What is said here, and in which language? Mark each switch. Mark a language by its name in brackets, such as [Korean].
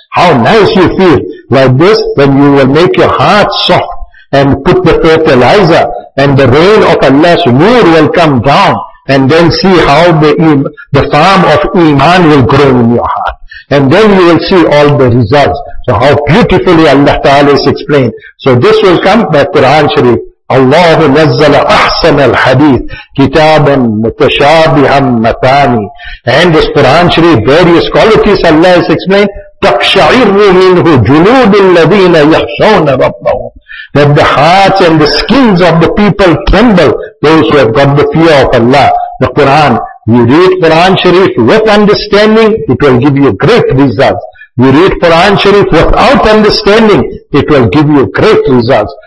[English] How nice you feel like this when you will make your heart soft and put the fertilizer, and the rain of Allah's nur will come down, and then see how the farm of iman will grow in your heart. And then you will see all the results. So how beautifully Allah Ta'ala has explained. So this will come by Quran Sharif. [Arabic] الله نزل أحسن الحديث كتابا متشابها متاني. [English] And this Quran Sharif, various qualities Allah has explained. [Arabic] تقشعر منه جلود الذين يخشون ربهم. [English] That the hearts and the skins of the people tremble, those who have got the fear of Allah. The Quran, you read Quran Sharif with understanding, it will give you great results. You read Quran Sharif without understanding, it will give you great results.